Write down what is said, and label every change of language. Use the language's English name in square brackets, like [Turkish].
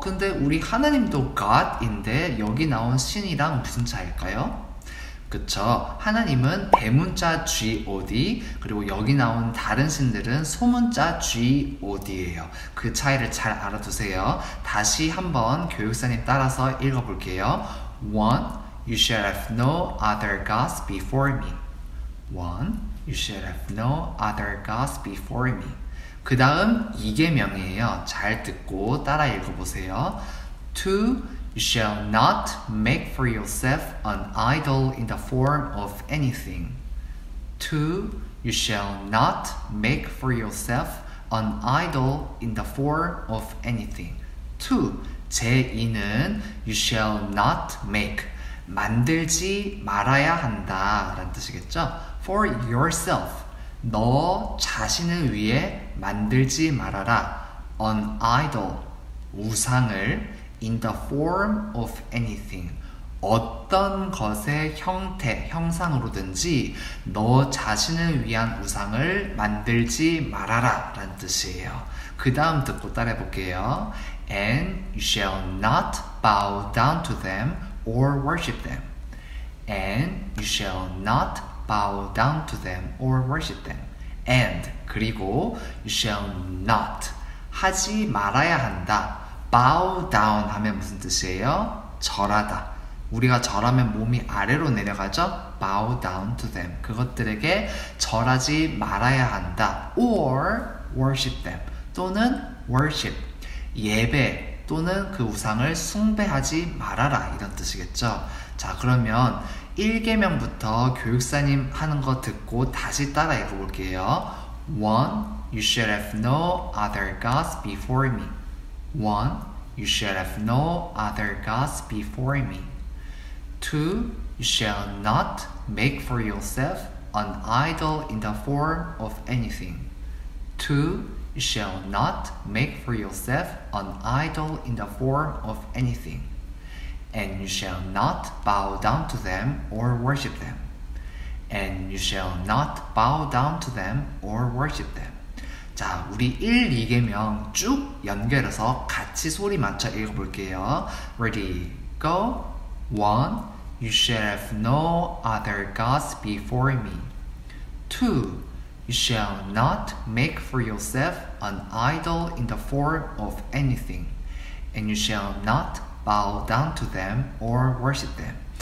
[Korean] 근데 우리 하나님도 God인데 여기 나온 신이랑 무슨 차일까요? 그쵸. 하나님은 대문자 GOD, 그리고 여기 나온 다른 신들은 소문자 GOD예요. 그 차이를 잘 알아두세요. 다시 한번 교육사님 따라서 읽어볼게요. [English] 1. You shall have no other gods before me. 1. You shall have no other gods before me. [Korean] 그 다음 2계명이에요. 잘 듣고 따라 읽어보세요. [English] 2. You shall not make for yourself an idol in the form of anything. 2. You shall not make for yourself an idol in the form of anything. [Korean] 2. 제2는 [English] you shall not make, [Korean] 만들지 말아야 한다 라는 뜻이겠죠? [English] for yourself. [Korean] 너 자신을 위해 만들지 말아라. [English] An idol, [Korean] 우상을 [English] in the form of anything. [Korean] 어떤 것의 형태, 형상으로든지 너 자신을 위한 우상을 만들지 말아라 라는 뜻이에요. 그 다음 듣고 따라해 볼게요. [English] And you shall not bow down to them or worship them. And you shall not bow down to them or worship them. And [Korean] 그리고 [English] you shall not [Korean] 하지 말아야 한다. [English] Bow down [Korean] 하면 무슨 뜻이에요? 절하다. 우리가 절하면 몸이 아래로 내려가죠? [English] Bow down to them. [Korean] 그것들에게 절하지 말아야 한다. [English] Or worship them. [Korean] 또는 [English] worship. [Korean] 예배 또는 그 우상을 숭배하지 말아라. 이런 뜻이겠죠? 자, 그러면 1계명부터 교육사님 하는 거 듣고 다시 따라 읽어볼게요. [English] 1. You shall have no other gods before me. 1. You shall have no other gods before me. 2. You shall not make for yourself an idol in the form of anything. 2. You shall not make for yourself an idol in the form of anything. And you shall not bow down to them or worship them. And you shall not bow down to them or worship them. [Korean] 자, 우리 1, 2계명 쭉 연결해서 같이 소리 맞춰 읽어볼게요. [English] Ready, go. 1. You shall have no other gods before me. 2. You shall not make for yourself an idol in the form of anything. And you shall not bow down to them or worship them.